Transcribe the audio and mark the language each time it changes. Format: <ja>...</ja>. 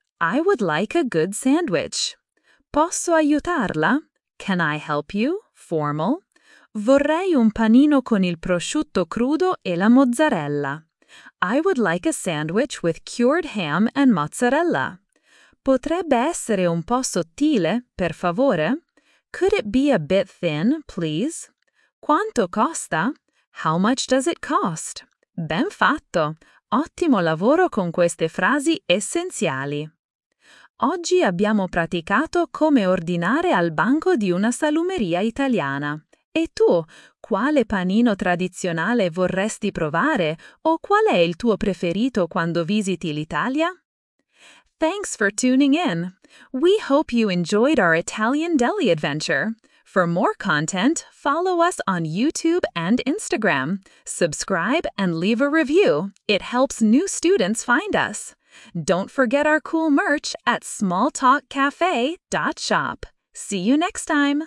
<en>I would like a good sandwich.</en> <it>Posso aiutarla?</it> <en>Can I help you? Formal.</en> <it>Vorrei un panino con il prosciutto crudo e la mozzarella.</it> <en>I would like a sandwich with cured ham and mozzarella.</en> <it>Potrebbe essere un po' sottile, per favore?</it> <en>Could it be a bit thin, please?</en> <it>Quanto costa?</it> <en>How much does it cost?</en> <it>Ben fatto! Ottimo lavoro con queste frasi essenziali! Oggi abbiamo praticato come ordinare al banco di una salumeria italiana. E tu, quale panino tradizionale vorresti provare o qual è il tuo preferito quando visiti l'Italia?</it> <en>Thanks for tuning in! We hope you enjoyed our Italian deli adventure! For more content, follow us on YouTube and Instagram. Subscribe and leave a review. It helps new students find us. Don't forget our cool merch at smalltalkcafe.shop. See you next time!</en>